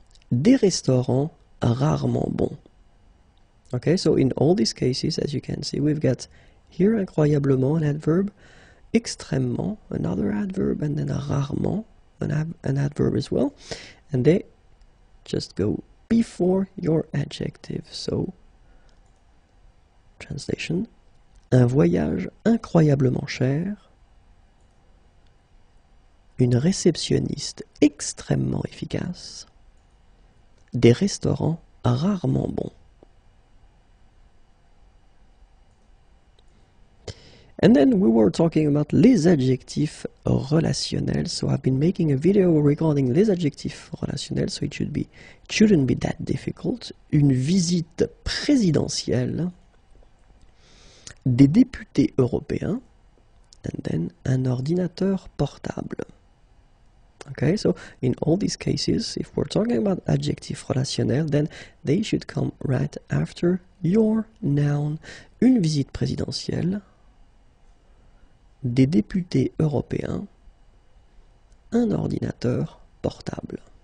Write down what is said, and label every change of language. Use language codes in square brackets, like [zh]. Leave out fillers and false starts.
[fr] Des restaurants rarement bons. [en] Okay, so in all these cases, as you can see, we've got here incroyablement an adverb, extrêmement another adverb, and then rarement an adverb as well. And they just go before your adjective. So, translation, [fr] un voyage incroyablement cher, une réceptionniste extrêmement efficace, des restaurants rarement bons. [en] And then we were talking about [fr] les adjectifs relationnels. [en] So I've been making a video regarding [fr] les adjectifs relationnels, [en] so it shouldn't be that difficult. [fr] Une visite présidentielle, des députés européens, [en] and then [fr] un ordinateur portable. [en] Okay, so in all these cases, if we're talking about adjectifs relationnels, then they should come right after your noun. [fr] Une visite présidentielle, des députés européens, un ordinateur portable.